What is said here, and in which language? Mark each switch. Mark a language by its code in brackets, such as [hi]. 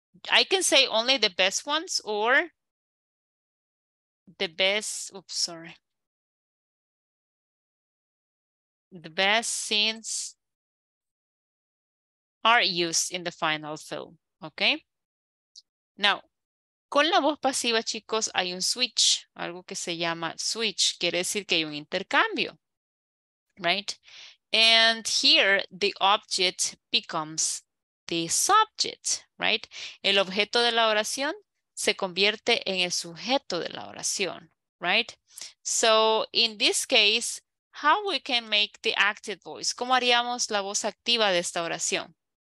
[en] I can say only the best ones or the best, the best scenes are used in the final film, okay? [es] Now, con la voz pasiva, chicos, hay un switch, algo que se llama switch, quiere decir que hay un intercambio, right? [en] And here, the object becomes the subject, right? [es] El objeto de la oración se convierte en el sujeto de la oración, right? [en] So, in this case, how we can make the active voice? [es] ¿Cómo haríamos la voz activa de esta oración?